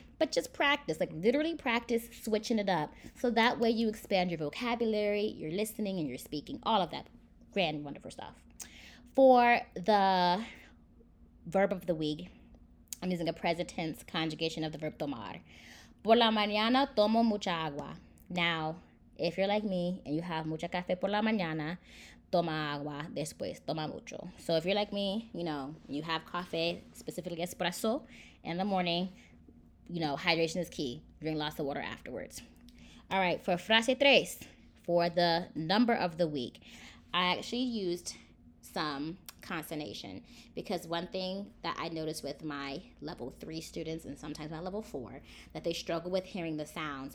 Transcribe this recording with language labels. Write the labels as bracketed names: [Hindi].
[English] But just practice, like literally practice switching it up. So that way you expand your vocabulary, your listening, and your speaking, all of that grand, wonderful stuff. For the verb of the week, I'm using a present tense conjugation of the verb tomar. [Spanish] Por la mañana tomo mucha agua. [English] Now, if you're like me and you have [Spanish] mucha café por la mañana, toma agua después, toma mucho. [English] So if you're like me, you know, you have café, specifically espresso, in the morning, you know, hydration is key. Drink lots of water afterwards. All right, for frase tres, for the number of the week, I actually used some consonation because one thing that I noticed with my level three students and sometimes my level four, that they struggle with hearing the sounds.